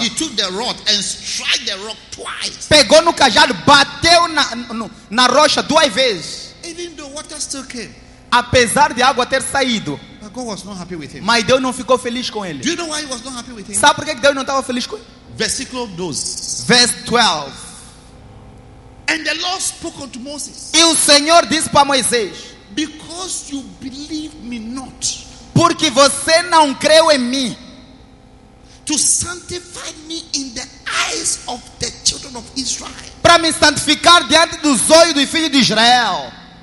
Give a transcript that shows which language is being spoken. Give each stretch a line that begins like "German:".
English: he took the rod and struck the rock twice,
Portuguese: pegou no cajado, bateu na rocha duas vezes,
English: even though water still came,
Portuguese: apesar de água ter saído,
English: but God was not happy with him,
Portuguese: mas Deus não ficou feliz com ele.
English: Do you know why he was not happy with him?
Portuguese: Sabe por que Deus não estava feliz com ele? Versículo 12.
English: Verse 12. And the Lord spoke unto Moses.
Portuguese: E o Senhor disse para Moisés,
English: because you believe me not,
Portuguese: porque você não creu em mim,
English: to sanctify me in the eyes of the children of Israel,
Portuguese: para me santificar diante dos olhos dos filhos de Israel,